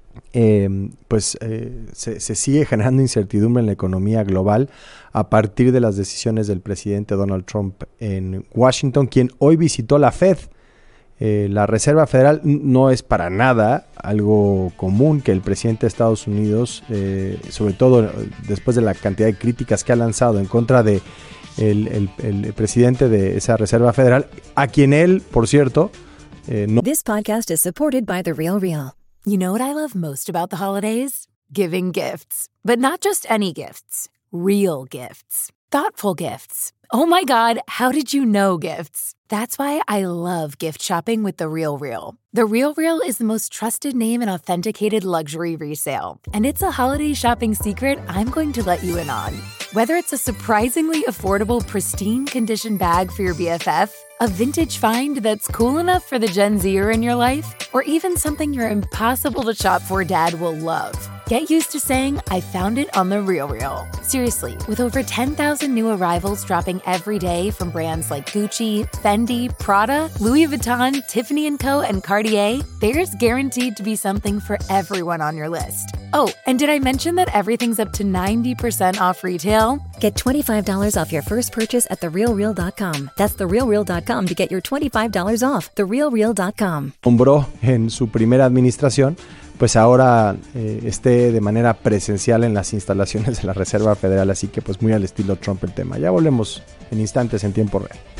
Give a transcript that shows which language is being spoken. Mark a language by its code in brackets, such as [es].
[es] se sigue generando incertidumbre en la economía global a partir de las decisiones del presidente Donald Trump en Washington, quien hoy visitó la Fed, la Reserva Federal. No es para nada algo común que el presidente de Estados Unidos, sobre todo después de la cantidad de críticas que ha lanzado en contra de el presidente de esa Reserva Federal, a quien él, por cierto, no. [en] This podcast is supported by The Real Real. You know what I love most about the holidays? Giving gifts. But not just any gifts. Real gifts. Thoughtful gifts. Oh my God, how did you know gifts? That's why I love gift shopping with The Real Real. The Real Real is the most trusted name in authenticated luxury resale. And it's a holiday shopping secret I'm going to let you in on. Whether it's a surprisingly affordable pristine condition bag for your BFF, a vintage find that's cool enough for the Gen Zer in your life, or even something you're impossible to shop for dad will love. Get used to saying, I found it on The Real Real. Seriously, with over 10,000 new arrivals dropping every day from brands like Gucci, Fendi, Prada, Louis Vuitton, Tiffany & Co., and Cartier, there's guaranteed to be something for everyone on your list. Oh, and did I mention that everything's up to 90% off retail? Get $25 off your first purchase at TheRealReal.com. That's TheRealReal.com to get your $25 off. TheRealReal.com. [es] Nombró en su primera administración, pues ahora esté de manera presencial en las instalaciones de la Reserva Federal. Así que pues muy al estilo Trump el tema. Ya volvemos en instantes en tiempo real.